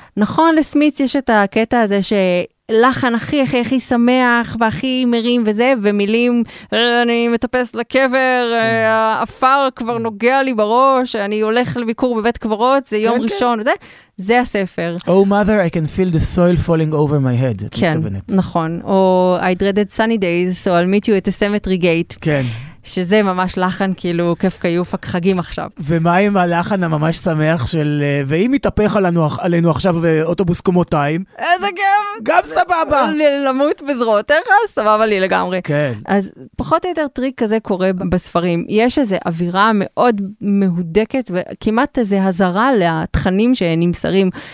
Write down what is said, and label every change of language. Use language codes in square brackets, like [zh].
[he] נכון, לסמיץ יש את הקטע הזה ש... לחן הכי הכי הכי שמח והכי מרים וזה, ומילים, אני מטפס לקבר, האפר כבר נוגע לי בראש, אני הולך לביקור בבית קברות, זה יום ראשון וזה, זה הספר. [en] Oh mother, I can feel the soil falling over my head. [he] כן, נכון. [en] או I dreaded sunny days, so I'll meet you at the cemetery gate. [he] כן. שזה ממש לחן, כאילו, כיף קיוף חגים עכשיו. ומה עם הלחן הממש שמח של, ואם יתהפך עלינו עכשיו אוטובוס קומותיים? איזה כיף! גם סבבה! למות בזרועותיך, סבבה לי לגמרי. כן. אז פחות או יותר טריק כזה קורה בספרים. יש איזו אווירה מאוד מהודקת, וכמעט איזו הזרה לתכנים שנמסרים.